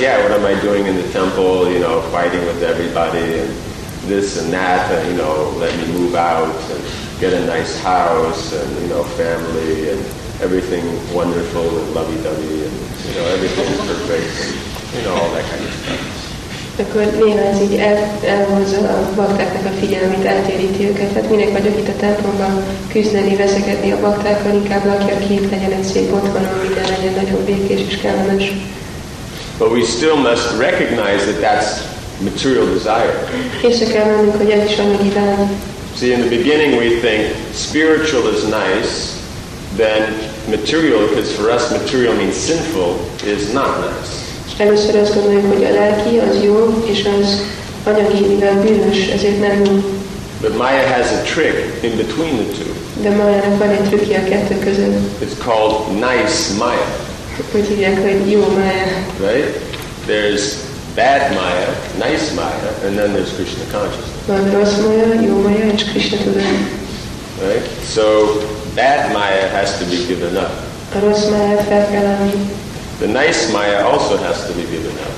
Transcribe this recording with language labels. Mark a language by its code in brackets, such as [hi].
[en] Yeah, what am I doing in the temple, you know, fighting with everybody and this and that, and you know, let me move out and get a nice house and, you know, family and everything wonderful and lovey-dovey and, you know, everything is perfect and, you know, all that kind of stuff. [hu] Akkor néha ez így elhozza a baktáknak a figyelmét, eltéríti őket. Hát minek vagyok itt a templomban küzdeni, veszekedni a baktákkal, inkább lakja ki, itt legyen egy szép otthon, minden legyen nagyon békés és kellemes. [en] But we still must recognize that that's material desire. [hu] Észre kell mennünk, hogy ez is anyagi vágy. [en] See, in the beginning we think spiritual is nice, then material, because for us material means sinful, is not nice. [hu] Először azt gondoljuk, hogy a lelki az jó, és az anyagi, mivel bűnös, ezért nem jó. [en] But Maya has a trick in between the two. [hu] De Maya-nak van egy trükkje a kettő között. [en] It's called nice Maya. [hu] Hogy hívják, hogy jó Maya. [en] Right? There's bad Maya, nice Maya, and then there's Krishna consciousness. [hu] Van rossz Maya, jó Maya, és Krishna tudat. [en] Right? So bad Maya has to be given up. [hu] A rossz Maya-t fel kell adni. [en] The nice Maya also has to be given up.